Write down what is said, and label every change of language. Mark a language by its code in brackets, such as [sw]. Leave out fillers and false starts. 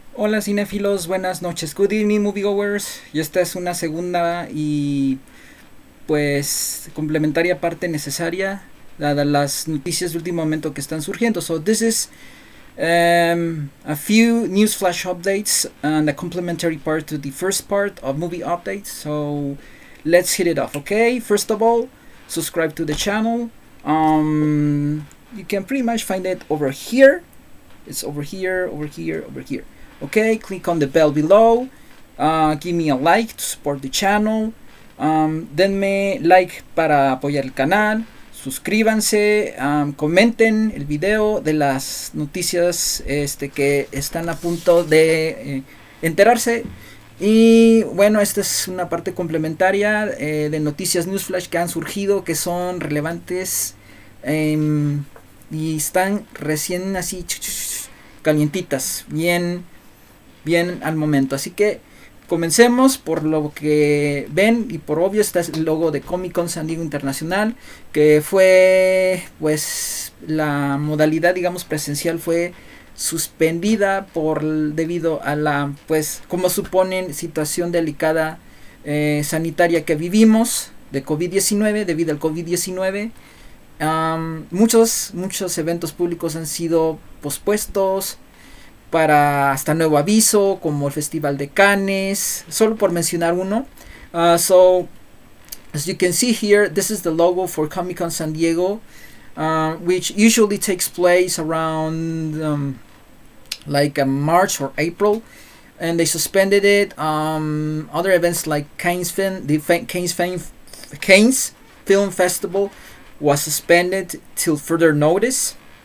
[es] Hola cinéfilos, buenas noches, [en] good evening moviegoers, [es] y esta es una segunda y pues complementaria parte necesaria, dadas las noticias de último momento que están surgiendo. [en] So this is a few news flash updates and a complementary part to the first part of movie updates. So let's hit it off, okay? First of all, subscribe to the channel. You can pretty much find it over here. It's over here, over here, over here. Okay, click on the bell below. Give me a like to support the channel. [es] Denme like para apoyar el canal. Suscríbanse. Comenten el video de las noticias que están a punto de enterarse. Y bueno, esta es una parte complementaria de noticias newsflash que han surgido, que son relevantes y están recién así calientitas. Bien al momento. Así que comencemos por lo que ven y por obvio está el logo de Comic Con San Diego Internacional, que fue, pues, la modalidad, digamos, presencial fue suspendida debido a la, pues, como suponen, situación delicada sanitaria que vivimos de COVID-19, debido al COVID-19. Muchos eventos públicos han sido pospuestos para hasta nuevo aviso, como el Festival de Cannes, solo por mencionar uno. [en] So, as you can see here, this is the logo for Comic Con San Diego, which usually takes place around like a March or April, and they suspended it. Other events like Cannes Film Festival was suspended till further notice.